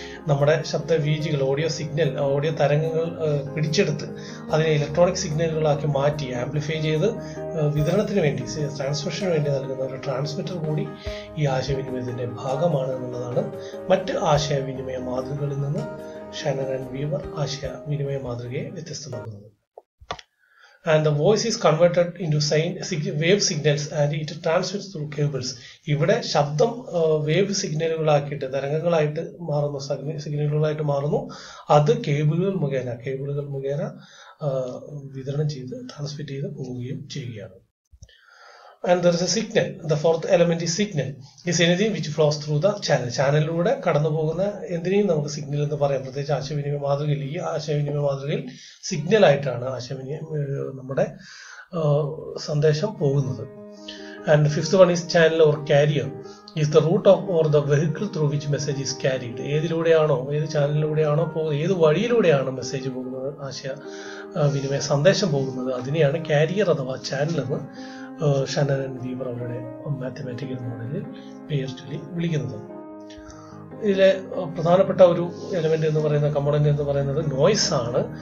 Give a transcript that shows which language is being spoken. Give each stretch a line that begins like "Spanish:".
Malayalam: നമ്മുടെ ശബ്ദ വീജികൾ, audio signal, audio തരംഗങ്ങൾ പിടിച്ചെടുത്ത് അതിനെ ഇലക്ട്രോണിക് സിഗ്നലുകളാക്കി മാറ്റി ആംപ്ലിഫൈ ചെയ്ത് വിതരണത്തിന് വേണ്ടി, ട്രാൻസ്മിഷന് വേണ്ടി നൽകുന്ന ഒരു ട്രാൻസ്മിറ്റർ കൂടി ഈ ആശയവിനിമയത്തിൻ്റെ ഭാഗമാണ് എന്നുള്ളതാണ് മറ്റ് ആശയവിനിമയ മാതൃകകളിൽ നിന്ന് ഷാനൻ ആൻഡ് വീവർ ആശയവിനിമയ മാതൃകയെ വ്യത്യസ്തമാക്കുന്നത്.
English: and the voice is converted into wave signals and it transmits through cables.
Malayalam: ഇവിടെ ശബ്ദം വേവ് സിഗ്നലുകളാക്കിയിട്ട് തരംഗങ്ങളായിട്ട് മാറുന്നു, സിഗ്നലുകളായിട്ട് മാറുന്നു. അത് കേബിളുകൾ മുഖേന വിതരണം ചെയ്ത് ട്രാൻസ്മിറ്റ് ചെയ്ത് പോവുകയും ചെയ്യുകയാണ്.
English: And there is a signal. The fourth element is signal. It's anything which flows through the channel.
Malayalam: ചാനലിലൂടെ കടന്നു പോകുന്ന എന്തിനേയും നമുക്ക് സിഗ്നൽ എന്ന് പറയാം. പ്രത്യേകിച്ച് ആശയവിനിമയ മാതൃകയിൽ, ഈ ആശയവിനിമയ മാതൃകയിൽ സിഗ്നൽ ആയിട്ടാണ് ആശയവിനിമയം നമ്മുടെ സന്ദേശം പോകുന്നത്.
English: And the fifth one is channel or carrier. Is the route of or the vehicle through which message is carried.
Malayalam: ഏതിലൂടെയാണോ, ഏത് ചാനലിലൂടെയാണോ പോകുന്നത്, ഏത് വഴിയിലൂടെയാണ് മെസ്സേജ് പോകുന്നത്, ആശയ വിനിമയ സന്ദേശം പോകുന്നത്, അതിനെയാണ് കാരിയർ അഥവാ ചാനൽ എന്ന് ഷന്നൻ ആൻഡ് വീവർ അവരുടെ മാത്തമാറ്റിക്കൽ മോഡലിൽ പേര് ചൊല്ലി വിളിക്കുന്നത്. ഇതിലെ പ്രധാനപ്പെട്ട ഒരു എലമെന്റ് എന്ന് പറയുന്ന, കമ്പോണന്റ് എന്ന് പറയുന്നത് നോയ്സ് ആണ്.